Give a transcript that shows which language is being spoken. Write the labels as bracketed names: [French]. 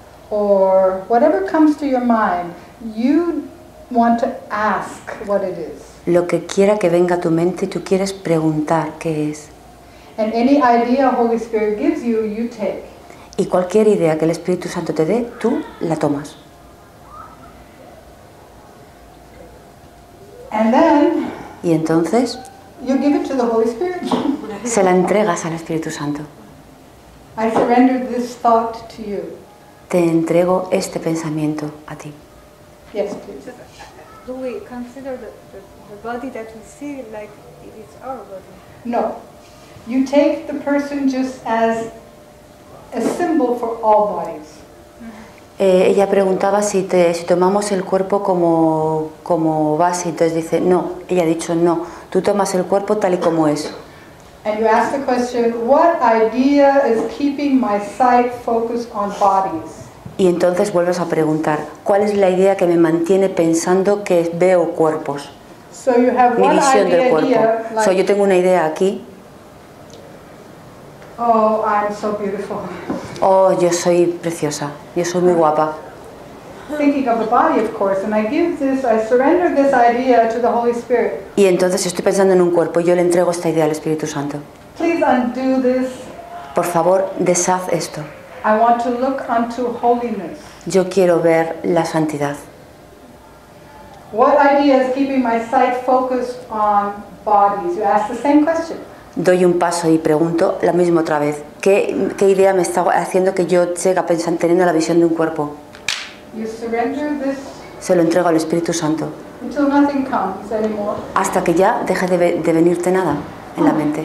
[English] Or whatever comes to your mind, you want to ask what it is. [Spanish] Lo que quiera que venga a tu mente, tú quieres preguntar qué es. [English] And any idea Holy Spirit gives you, you take. [Spanish] Y cualquier idea que el Espíritu Santo te dé, tú la tomas. [English] And then. [Spanish] Y entonces. [English] You give it to the Holy Spirit. [Spanish] Se la entregas al Espíritu Santo. [English] I surrender this thought to you. [Spanish] Te entrego este pensamiento a ti. [English] Yes, please. Do we consider the body that we see like it is our body? No. You take the person just as a symbol for all bodies. [Spanish] Ella preguntaba si tomamos el cuerpo como base. Entonces dice, no. Ella ha dicho, no. Tú tomas el cuerpo tal y como es. [English] And you ask the question, what idea is keeping my sight focused on bodies? [Spanish] Y entonces vuelves a preguntar, ¿cuál es la idea que me mantiene pensando que veo cuerpos? [English] So you have [Spanish] mi visión del cuerpo. [English] Here, like, [Spanish] so yo tengo una idea aquí. [English] Oh, I'm so beautiful. [Spanish] Oh, yo soy preciosa. Yo soy muy guapa. [English] Thinking of the body, of course, and I give this, I surrender this idea to the Holy Spirit. [Spanish] Y entonces estoy pensando en un cuerpo y yo le entrego esta idea al Espíritu Santo. [English] Please undo this. [Spanish] Por favor, deshaz esto. [English] I want to look unto holiness. [Spanish] Yo quiero ver la santidad. [English] What idea is keeping my sight focused on bodies? You ask the same question. [Spanish] Doy un paso y pregunto la misma otra vez. ¿Qué idea me está haciendo que yo siga pensando teniendo la visión de un cuerpo? [English] You surrender this. [Spanish] Se lo entrego al Espíritu Santo. [English] Until nothing comes anymore. [Spanish] Hasta que ya deje de venirte nada en la mente.